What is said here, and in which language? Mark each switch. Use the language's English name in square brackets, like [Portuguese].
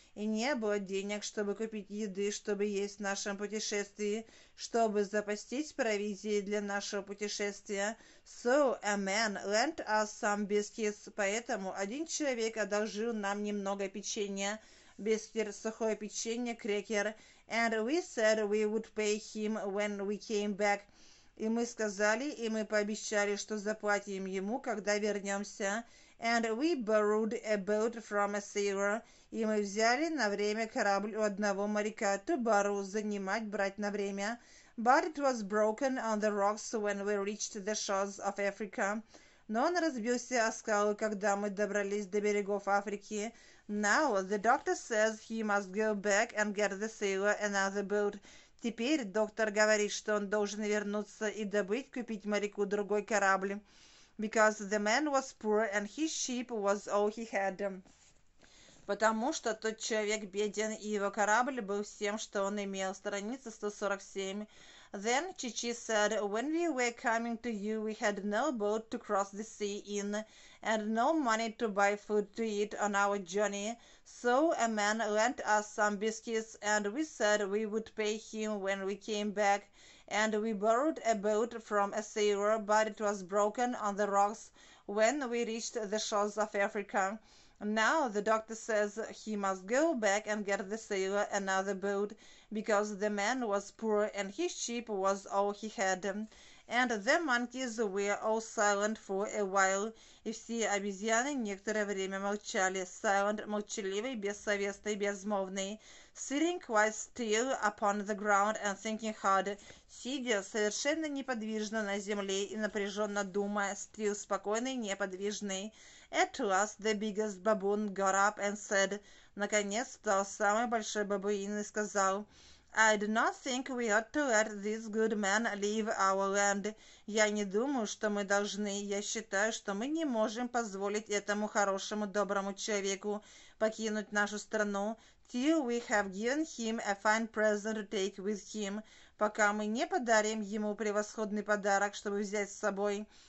[Russian] И не было денег, чтобы купить еды, чтобы есть в нашем путешествии, чтобы запастись провизией для нашего путешествия. [English] So a man lent us some biscuits. [Russian] Поэтому один человек одолжил нам немного печенья. Biscuits, сухое печенье, крекер. [English] And we said we would pay him when we came back. [Russian] И мы сказали, и мы пообещали, что заплатим ему, когда вернемся. [English] And we borrowed a boat from a sailor. [Russian] И мы взяли на время корабль у одного моряка. To borrow, занимать, брать на время. [English] But it was broken on the rocks when we reached the shores of Africa. [Russian] Но он разбился о скалы, когда мы добрались до берегов Африки. [English] Now the doctor says he must go back and get the sailor another boat. [Russian] Теперь доктор говорит, что он должен вернуться и добыть, купить моряку другой корабль. [English] Because the man was poor and his ship was all he had. [Russian] Потому что тот человек беден, и его корабль был всем, что он имел. Страница 147. [English] Then Chi-Chi said, when we were coming to you, we had no boat to cross the sea in, and no money to buy food to eat on our journey. So a man lent us some biscuits, and we said we would pay him when we came back. And we borrowed a boat from a sailor, but it was broken on the rocks when we reached the shores of Africa. Now the doctor says he must go back and get the sailor another boat, because the man was poor and his ship was all he had. And the monkeys were all silent for a while. [Russian] И все обезьяны некоторое время молчали. Silent, молчаливый, бессовестный, безмолвный. [English] Sitting quite still upon the ground and thinking hard. [Russian] Сидя совершенно неподвижно на земле и напряженно думая. Still, спокойный, неподвижный. [English] At last, the biggest baboon got up and said. [Russian] Наконец, встал самый большой бабуин и сказал. [English] I do not think we ought to let this good man leave our land. [Russian] Я не думаю, что мы должны. Я считаю, что мы не можем позволить этому хорошему, доброму человеку покинуть нашу страну. [English] Till we have given him a fine present to take with him. [Russian] Пока мы не подарим ему превосходный подарок, чтобы взять с собой.